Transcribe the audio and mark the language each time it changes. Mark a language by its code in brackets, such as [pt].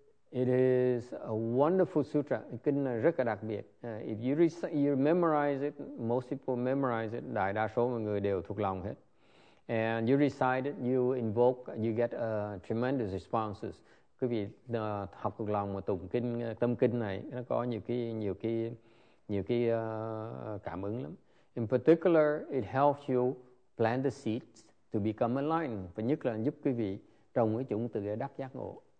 [en] It is a wonderful sutra. [vi] Kinh này rất là đặc biệt. [en] If you memorize it, most people memorize it. [vi] Đại đa số mọi người đều thuộc lòng hết. [en] And you recite it, you invoke, you get tremendous responses. [vi] Quý vị học thuộc lòng mà tụng kinh tâm kinh này, nó có nhiều cái cảm ứng lắm. [en] In particular, it helps you plant the seeds to become enlightened. [vi] Và nhất là giúp quý vị trồng cái chủng từ đắc giác ngộ.